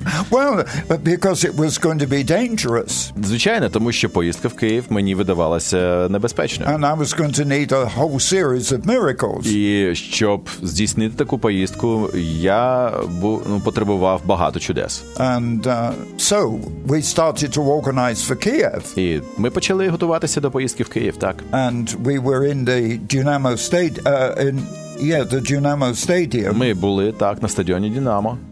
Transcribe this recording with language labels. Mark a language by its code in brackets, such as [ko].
[en] Well, because it was going to be dangerous. [uk] Звичайно, тому що поїздка в Київ мені видавалася небезпечною. [en] And I was going to need a whole series of miracles. [uk] І щоб здійснити таку поїздку, я потребував багато чудес. [en] And so we started to organize for Kiev. [uk] І ми почали готуватися до поїздки в Київ, так. [en] And we were in the Dynamo Stadium. Yeah, the Dynamo Stadium. [uk] Ми були так на стадіоні Динамо.